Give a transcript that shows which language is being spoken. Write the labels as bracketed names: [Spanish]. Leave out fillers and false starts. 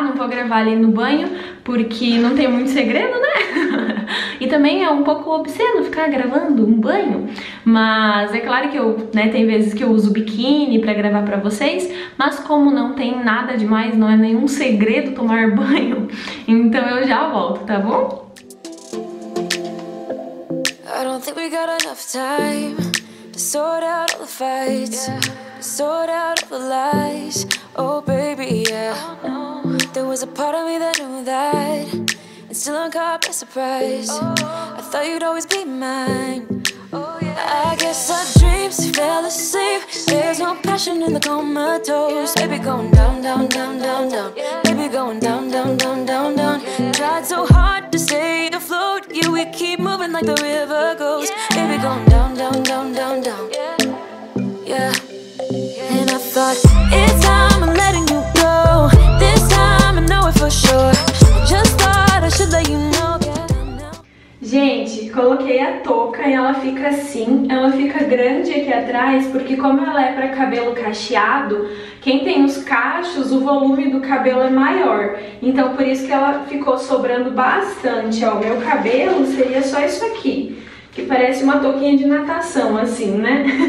[Portuguese] Não vou gravar ali no banho, porque não tem muito segredo, né? E também é um pouco obsceno ficar gravando um banho. Mas é claro que eu, né, tem vezes que eu uso biquíni pra gravar pra vocês. Mas como não tem nada demais, não é nenhum segredo tomar banho. Então eu já volto, tá bom? [English] I don't think we got enough time to sort out all the fights, to sort out all the lies. Oh baby, yeah. There was a part of me that knew that, and still I'm caught by surprise. I thought you'd always be mine. Oh yeah. I guess our dreams fell asleep. There's no passion in the comatose. Baby going down, down, down, down, down. Baby going down, down, down, down, down. Tried so hard to stay afloat. Yeah, we keep moving like the river goes. Baby going down, down, down, down, down. Yeah. And I thought it's time I'm letting you go. This time I know it for sure. Just thought I should let you know. [Portuguese] Gente, coloquei a touca e ela fica assim. Ela fica grande aqui atrás, porque como ela é pra cabelo cacheado, quem tem os cachos, o volume do cabelo é maior. Então por isso que ela ficou sobrando bastante. Ó, meu cabelo seria só isso aqui, que parece uma touquinha de natação, assim, né?